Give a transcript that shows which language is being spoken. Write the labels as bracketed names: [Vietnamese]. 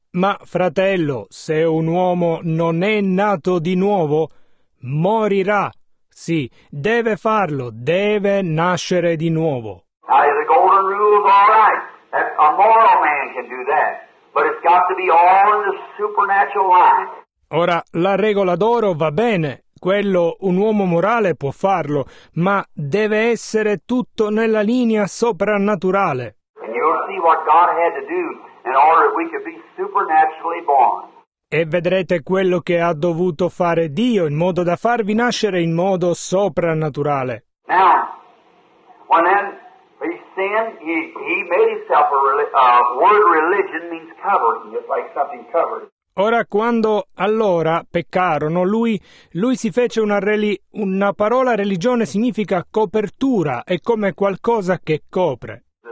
[Italian] Ma, fratello, se un uomo non è nato di nuovo, morirà. Sì, deve farlo, deve nascere di nuovo. [English] Now, the golden rule is all right. That's a moral man can do that. But it's got to be all in the supernatural line. [Italian] Ora, la regola d'oro va bene. Quello, un uomo morale può farlo. Ma deve essere tutto nella linea soprannaturale. [English] And you'll see what God had to do. In order that we could be supernaturally born. [Italian] E vedrete quello che ha dovuto fare Dio in modo da farvi nascere in modo soprannaturale. [English] Now, when then he sinned, he made himself a word religion means covering, just like something covered. [Italian] Ora, quando allora peccarono, lui si fece una parola religione significa copertura, è come qualcosa che copre.